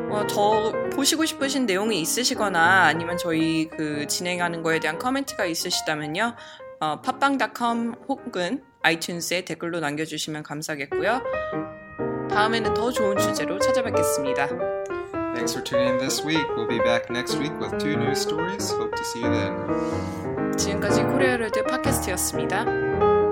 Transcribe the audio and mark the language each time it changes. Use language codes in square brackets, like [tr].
[ko] 더 보시고 싶으신 내용이 있으시거나 아니면 저희 그 진행하는 거에 대한 코멘트가 있으시다면요. 팟빵.com 혹은 아이튠즈에 댓글로 남겨주시면 감사하겠고요. 다음에는 더 좋은 주제로 찾아뵙겠습니다. [en] Thanks for tuning in this week. We'll be back next week with two new stories. Hope to see you then. [ko] 지금까지 코리아 월드 팟캐스트였습니다.